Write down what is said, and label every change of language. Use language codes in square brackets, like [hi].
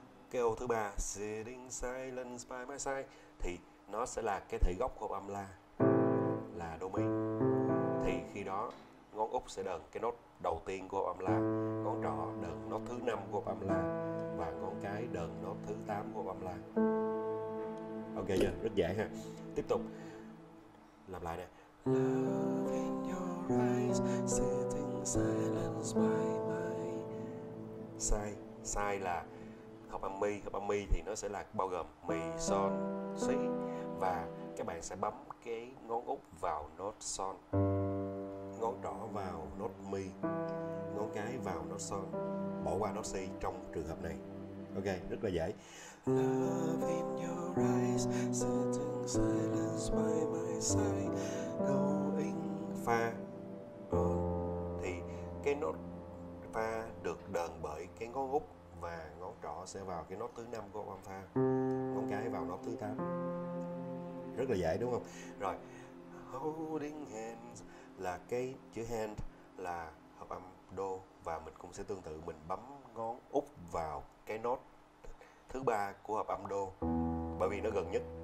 [vi] Cái ô thứ 3, [en] sitting silence by my side, [vi] thì nó sẽ là cái thể gốc của hợp âm la, là đô mi. Thì khi đó ngón út sẽ đờn cái nốt đầu tiên của hợp âm la, ngón trỏ đờn nốt thứ 5 của hợp âm la và ngón cái đờn nốt thứ 8 của hợp âm la. Ok chưa? Yeah, rất dễ ha. Tiếp tục. Làm lại nè. [en] Love in your eyes, sitting silence by my side. [vi] Sai là hợp âm mi. Hợp âm mi thì nó sẽ là bao gồm mi, son, si. Và các bạn sẽ bấm cái ngón út vào nốt son, ngón trỏ vào nốt mi, ngón cái vào nốt son, bỏ qua nốt si trong trường hợp này. Ok, rất là dễ. [en] Love in your eyes, sitting silence by my side, going fa. [vi] Thì cái nốt fa được đờn bởi cái ngón út và ngón trỏ sẽ vào cái nốt thứ 5 của âm fa, ngón cái vào nốt thứ 8. Rất là dễ đúng không? Rồi, [en] holding hands [vi] là cái chữ hand là hợp âm đô và mình cũng sẽ tương tự, mình bấm ngón út vào cái nốt thứ 3 của hợp âm đô bởi vì nó gần nhất.